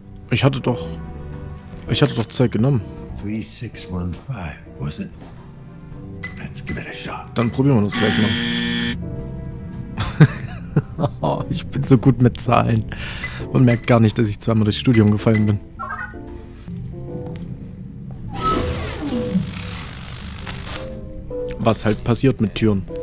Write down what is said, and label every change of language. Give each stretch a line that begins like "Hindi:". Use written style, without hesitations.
German: Ich hatte doch Zeit genommen.
English: 3615, was it? Let's give it a shot.
German: Dann probieren wir das gleich mal. Ich bin so gut mit Zahlen. Man merkt gar nicht, dass ich zweimal durchs Studium gefallen bin. Was halt passiert mit Türen?